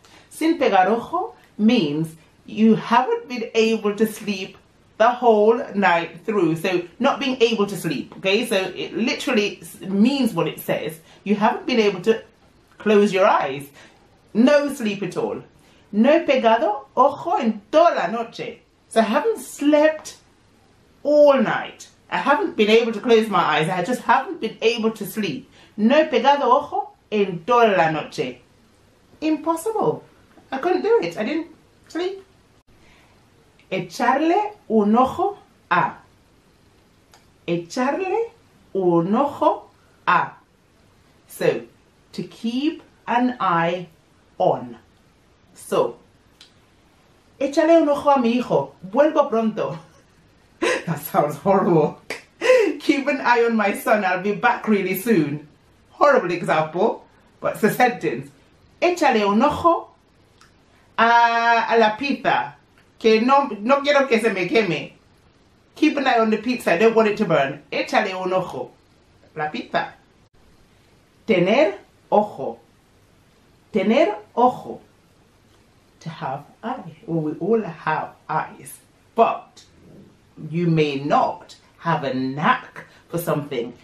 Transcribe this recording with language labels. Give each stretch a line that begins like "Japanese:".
Spanish: Sin pegar ojo
English: means you haven't been able to sleep the whole night through. So not being able to sleep, okay? So it literally means what it says. You haven't been able to close your eyes. No sleep at all.
Spanish: No he pegado ojo en toda la noche.
English: So I haven't slept all night. I haven't been able to close my eyes. I just haven't been able to sleep.
Spanish: No he pegado ojo en toda la noche.
English: Impossible. I couldn't do it. I didn't sleep.
Spanish: Echarle un ojo a. Echarle un ojo a.
English: So, to keep an eye on. So,
Spanish: echarle un ojo a mi hijo. Vuelvo pronto.
English: That sounds horrible. Keep an eye on my son, I'll be back really soon. Horrible example, but it's a sentence.
Spanish: Échale un ojo a la pizza, que no quiero que se me queme.
English: Keep an eye on the pizza, I don't want it to burn.
Spanish: Échale un ojo a la pizza. Tener ojo. Tener ojo.
English: To have eyes. Well, we all have eyes, but you may not have a knack for something.